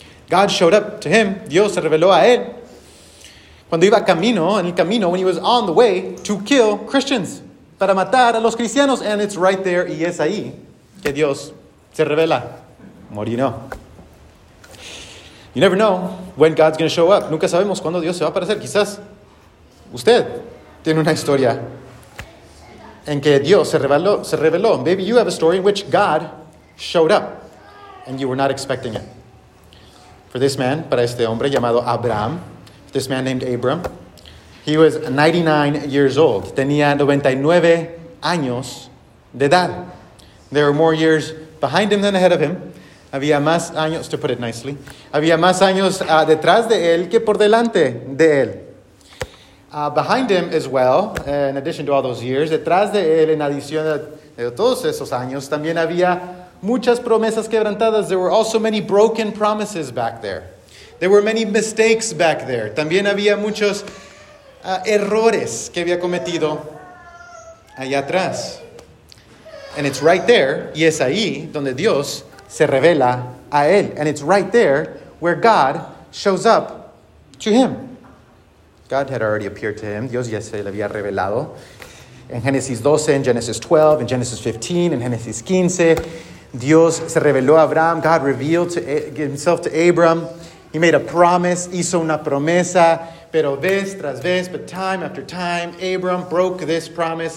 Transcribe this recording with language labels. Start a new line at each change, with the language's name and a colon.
English: God showed up to him.
Spanish: Dios se reveló a él. Cuando iba camino, en el camino,
English: when he was on the way to kill Christians.
Spanish: Para matar a los cristianos.
English: And it's right there,
Spanish: y es ahí que Dios se revela. Morino.
English: You never know when God's going to show up.
Spanish: Nunca sabemos cuándo Dios se va a aparecer. Quizás usted tiene una historia en que Dios se reveló.
English: Maybe you have a story in which God showed up and you were not expecting it. For this man,
Spanish: para este hombre llamado Abraham,
English: this man named Abram, he was 99 years old.
Spanish: Tenía 99 años de edad.
English: There were more years behind him than ahead of him.
Spanish: Había más años,
English: to put it nicely,
Spanish: había más años detrás de él que por delante de él.
English: Behind him as well, in addition to all those years,
Spanish: detrás de él, en adición de todos esos años, también había muchas promesas quebrantadas.
English: There were also many broken promises back there. There were many mistakes back there.
Spanish: También había muchos errores que había cometido allá atrás.
English: And it's right there,
Spanish: y es ahí donde Dios se revela a él.
English: And it's right there where God shows up to him. God had already appeared to him.
Spanish: Dios ya se le había revelado. En Génesis 12, en Génesis 12, en Génesis 15, en Génesis 15, Dios se reveló a Abraham.
English: God revealed himself to Abram. He made a promise.
Spanish: Hizo una promesa. Pero vez tras vez,
English: but time after time, Abram broke this promise.